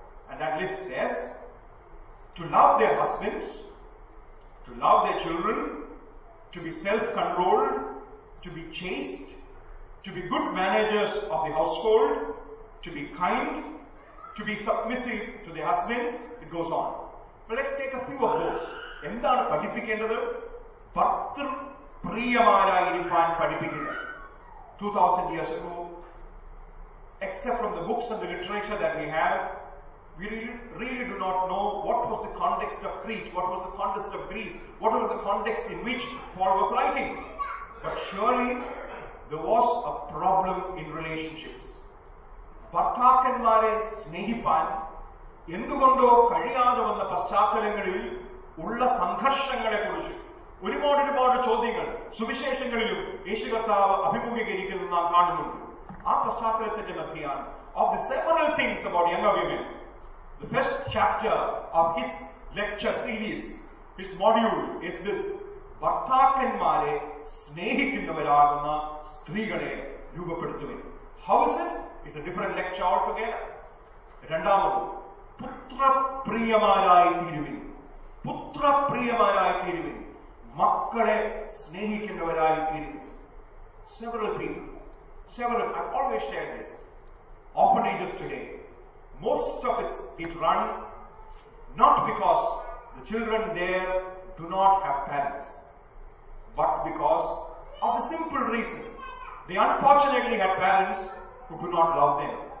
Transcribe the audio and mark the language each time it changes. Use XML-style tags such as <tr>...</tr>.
<en>And that list says, to love their husbands, to love their children, to be self-controlled, to be chaste, to be good managers of the household, to be kind, to be submissive to the husbands, it goes on. But let's take a few of those. എന്താണ് പഠിപ്പിക്കേണ്ടത്?</en> <ml>ഭർത്തൃ പ്രിയമാരായിരിക്കാൻ പഠിപ്പിക്കുക.</ml> <en>2000 years ago, except from the books and the literature that we have, we really do not know what was was the context of Crete? What was the context of Greece? What was the context in which Paul was writing? But surely there was a problem in relationships.</en> <ml>ഭർത്താക്കന്മാരെ സ്നേഹിപ്പാൻ എന്തുകൊണ്ടോ കഴിയാതെ വന്ന പശ്ചാത്തലങ്ങളിൽ ഉള്ള സംഘർഷങ്ങളെ കുറിച്ച് ഒരുപാട് ചോദ്യങ്ങൾ സുവിശേഷങ്ങളിലും യേശു കർത്താവ് അഭിമുഖീകരിക്കുന്നത് നാം കാണുന്നുണ്ട്.</ml> <en>ആ പശ്ചാത്തലത്തിന്റെ മധ്യയാണ് of the several things about young women, the first chapter of his lecture series, his module is this: ഭർത്താക്കന്മാരെ സ്നേഹിക്കുന്നവരാകുന്ന സ്ത്രീകളെ രൂപപ്പെടുത്തുക. How is it?</en> <ml>It's a different lecture altogether. രണ്ടാമത് പുത്രപ്രിയമാരായി തീരുവിൻ മക്കളെ സ്നേഹിക്കുന്നവരായി തീരുവിൻ.</ml> <en>Several things. I've always shared this. Orphanages today, most of it run not because the children there do not have parents, but because of the simple reason they unfortunately had parents who do not love them.</en>